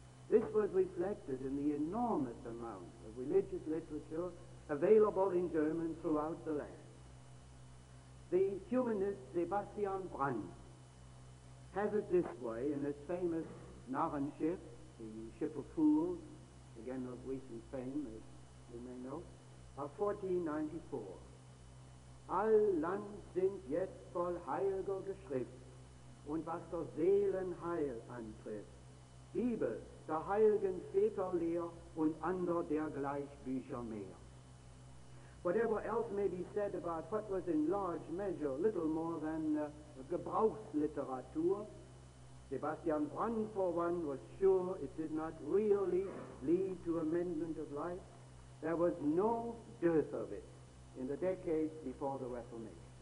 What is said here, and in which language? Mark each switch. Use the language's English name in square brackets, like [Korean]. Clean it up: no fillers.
[English] This was reflected in the enormous amount of religious literature available in German throughout the land. The humanist Sebastian Brandt has it this way in his famous Narrenschiff, the Ship of Fools, again of recent fame, as you may know, of 1494. [German] All Land sind jetzt voll heiliger Geschrift, und was der Seelenheil antrifft, Bibel, der heiligen Väterlehr, und ander dergleich Bücher mehr. [English] Whatever else may be said about what was in large measure little more than Gebrauchsliteratur, Sebastian Brandt, for one, was sure it did not really lead to amendment of life. There was no dearth of it in the decades before the Reformation.